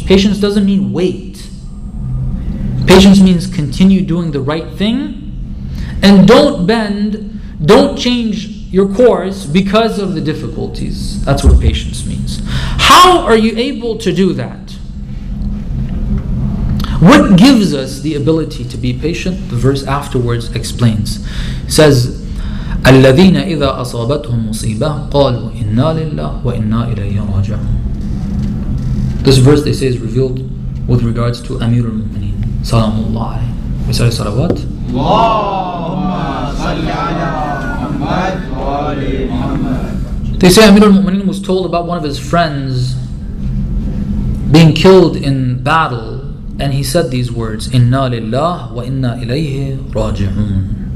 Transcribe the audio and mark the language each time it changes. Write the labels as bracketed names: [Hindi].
[English] Patience doesn't mean wait. Patience means continue doing the right thing. And don't bend, don't change your course because of the difficulties. That's what patience means. How are you able to do that? What gives us the ability to be patient? The verse afterwards explains. It says, [Arabic] الَّذِينَ إِذَا أَصَابَتْهُمْ مُصِيبَةٌ قَالُوا إِنَّا لِلَّهِ وَإِنَّا إِلَيْهِ رَاجِعُونَ. [English] This verse, they say, is revealed with regards to Amir al-Mu'mineen, Salamu Allah. We say salawat. They say Amir al-Mu'mineen was told about one of his friends being killed in battle, and he said these words, [Arabic] "Inna lillah wa inna ilayhi raji'un."